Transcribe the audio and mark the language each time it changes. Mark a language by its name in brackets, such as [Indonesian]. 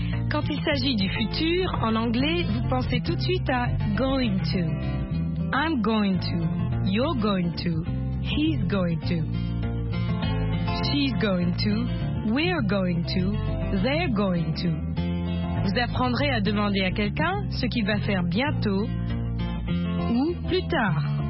[French] Quand il s'agit du futur, en anglais, vous pensez tout de suite à « going to ».« [English] I'm going to »,« you're going to »,« he's going to ».« She's going to ». We're going to, they're going to. [French] Vous apprendrez à demander à quelqu'un ce qu'il va faire bientôt ou plus tard.